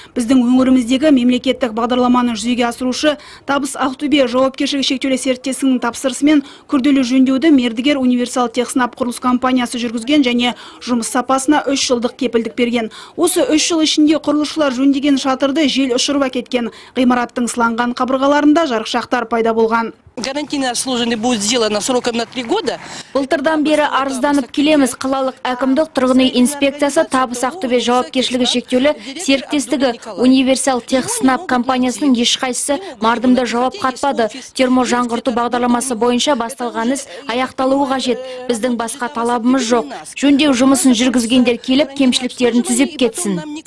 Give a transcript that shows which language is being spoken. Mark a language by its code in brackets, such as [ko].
[kk] Біздің өңіріміздегі мемлекеттік бағдарламаны жүзеге асырушы Табыс Ақтөбе жауапкершілігі шектеулі серіктестігінің тапсырысымен күрделі жөндеуді Мердігер Универсал Техснаб құрылыс компаниясы жүргізген және жұмыс сапасына 3 жылдық кепілдік берген. Осы 3 жыл ішінде құрылысшылар жөндеген шатырды жел ұшырып әкеткен. Ғимараттың сыланған қабырғаларында жарықшақтар пайда болған. [ru] Гарантийное обслуживание будет сделано сроком на 3 года. [kk] Былтырдан бері арызданып келеміз. Қалалық әкімдік тұрғын үй инспекциясы Табыс Ақтөбе жауапкершілігі шектеулі серіктестігі Универсал Техснаб компаниясының ешқайсысы мардымды жауап қатпады. Терможаңғырту бағдарламасы бойынша басталған іс аяқталуы қажет. Біздің басқа талабымыз жоқ. Жөндеу жұмысын жүргізгендер келіп кемшіліктерін түзеп кетсін.